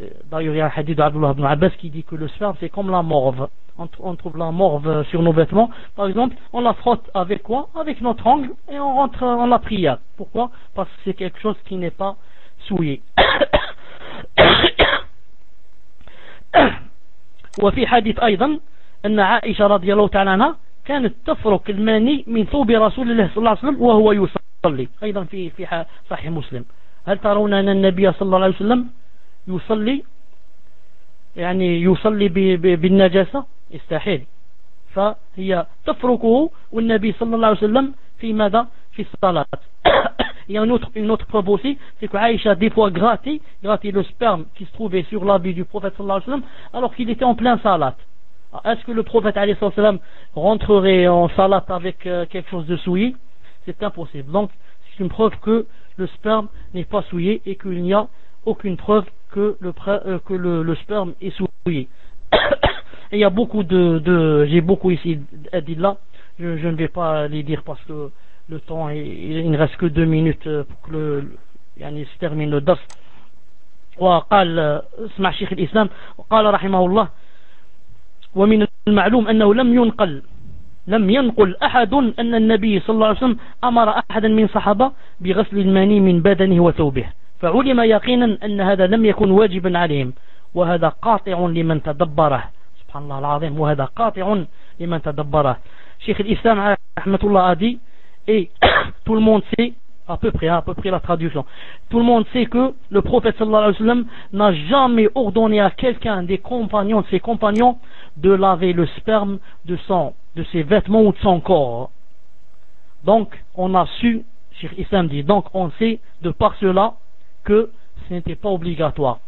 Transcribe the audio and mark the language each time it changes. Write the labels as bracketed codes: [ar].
[fr] D'ailleurs il y a un hadith d'Abdullah ibn Abbas qui dit que le sperme c'est comme la morve. On trouve la morve sur nos vêtements. Par exemple, on la frotte avec quoi? Avec notre ongle et on rentre en la prière. Pourquoi? Parce que c'est quelque chose qui n'est pas souillé. [ar] وفي حديث أيضا أن عائشة رضي الله تعالى عنها كانت تفرك الماني من ثوب رسول الله صلى الله عليه وسلم وهو يصلي. أيضا في صحيح مسلم. هل ترون أن النبي صلى الله عليه وسلم يصلي يعني يصلي بالنجاسة؟ استحيل. فهي تفركه والنبي صلى الله عليه وسلم في ماذا؟ في الصلاة. [fr] une autre preuve aussi, c'est qu'Aïcha des fois grattait le sperme qui se trouvait sur l'habit du prophète sallallahu alayhi wa sallam alors qu'il était en plein salat. Est-ce que le prophète alayhi wa sallam rentrerait en salat avec quelque chose de souillé? C'est impossible. Donc c'est une preuve que le sperme n'est pas souillé et qu'il n'y a aucune preuve que le sperme est souillé. Et il y a beaucoup de j'ai beaucoup ici dit là, je ne vais pas les dire parce que le temps il ne reste que 2 minutes pour que yani se termine le dars. [ar] Wa qala sma cheikh al-islam wa qala rahimahullah wa min al-ma'lum annahu lam yanqal ahad anna an-nabi sallallahu alayhi wa sallam amara ahadan min sahaba bi ghasl al-mani min badanihi wa thawbihi fa 'ulima yaqinan anna hadha lam yakun wajiban 'alayhim wa hadha qati'un liman tadabbara. سبحان الله العظيم وهذا قاطع لمن تدبره. شيخ الإسلام رحمة الله أدي إيه طول المونسي [fr] à peu près la traduction. Tout le monde sait que le prophète sallallahu alayhi wa sallam n'a jamais ordonné à quelqu'un des compagnons, de ses compagnons, de laver le sperme de son, de ses vêtements ou de son corps. Donc on a su, Cheikh Islam dit, donc on sait de par cela que ce n'était pas obligatoire.